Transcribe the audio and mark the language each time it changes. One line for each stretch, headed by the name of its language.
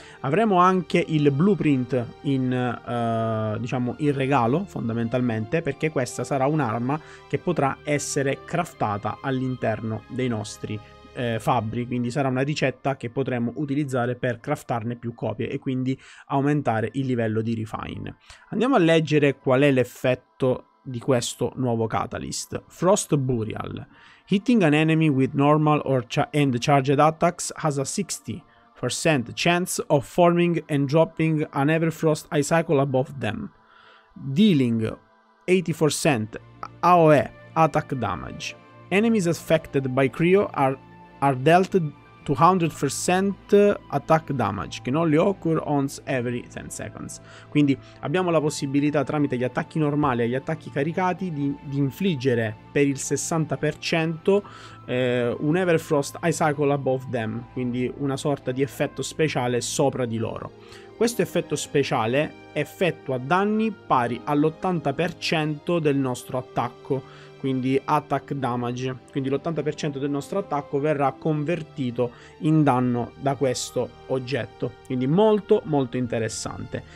Italian: Avremo anche il blueprint in regalo, fondamentalmente, perché questa sarà un'arma che potrà essere craftata all'interno dei nostri fabbri, quindi sarà una ricetta che potremo utilizzare per craftarne più copie e quindi aumentare il livello di refine. Andiamo a leggere qual è l'effetto di questo nuovo catalyst.
English: Frost Burial. Hitting an enemy with normal and charged attacks has a 60% chance of forming and dropping an Everfrost icicle above them, dealing 80% AOE attack damage. Enemies affected by Cryo are dealt 200% attack damage, can only occur once every 10 seconds.
Italian: Quindi abbiamo la possibilità, tramite gli attacchi normali e gli attacchi caricati, di infliggere per il 60% un Everfrost icicle
English: above them,
Italian: quindi una sorta di effetto speciale sopra di loro. Questo effetto speciale effettua danni pari all'80% del nostro attacco, quindi attack damage, quindi l'80% del nostro attacco verrà convertito in danno da questo oggetto, quindi molto molto interessante.